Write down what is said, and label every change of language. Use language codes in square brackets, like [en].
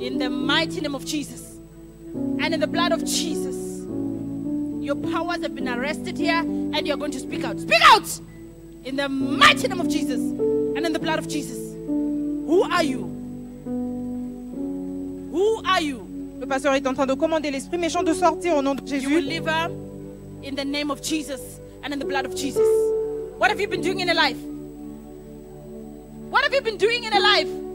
[en] In the mighty name of Jesus and in the blood of Jesus, your powers have been arrested here and you're going to speak out. Speak out in the mighty name of Jesus and in the blood of Jesus. Who are you? Who are you? [fr] Le pasteur est en train de commander l'esprit méchant de sortir au nom de Jésus. [en] You will live in the name of Jesus and in the blood of Jesus. What have you been doing in your life? What have you been doing in your life?